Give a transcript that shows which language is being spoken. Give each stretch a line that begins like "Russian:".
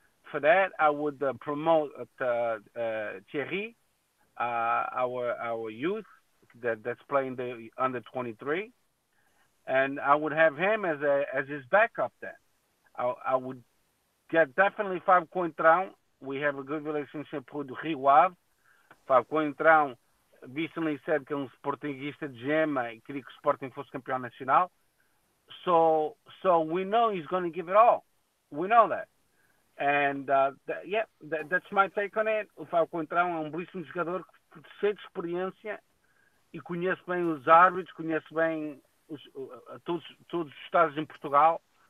English: For that, I would promote Thierry, our youth. That's playing the under 23, and I would have him as his backup. Then I would get definitely Fabio Coentrão. We have a good relationship with Rio Ave.
Portuguese: Fabio Coentrão
English: recently said
Portuguese: que Sportingista Gema e queria que o Sporting fosse campeão nacional.
English: So we know he's going to give it all. We know that. And that's my take on it.
Portuguese: Fabio Coentrão é belíssimo jogador cheio de experiência. E conhece bem os árbitros, conhece bem todos os estados em Portugal.